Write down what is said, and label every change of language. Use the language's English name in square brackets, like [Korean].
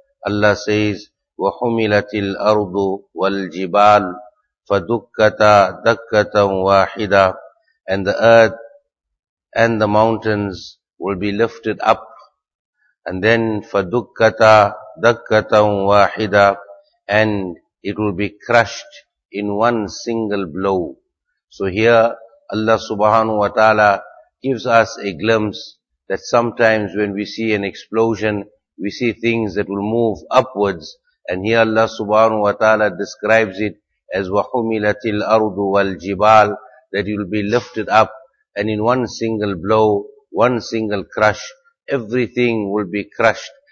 [English] Allah says, [Arabic] وَحُمِلَتِ الْأَرْضُ وَالْجِبَالُ فَدُكَّتَ دَكَّةً وَاحِدًا. [English] And the earth and the mountains will be lifted up. And then [Arabic] فَدُكَّتَ دَكَّةً وَاحِدًا. [English] And it will be crushed in one single blow. So here Allah subhanahu wa ta'ala gives us a glimpse that sometimes when we see an explosion, we see things that will move upwards. And here Allah subhanahu wa ta'ala describes it as [Arabic] وَحُمِلَتِ الْأَرْضُ وَالْجِبَالُ, [English] that it will be lifted up, and in one single blow, one single crush, everything will be crushed.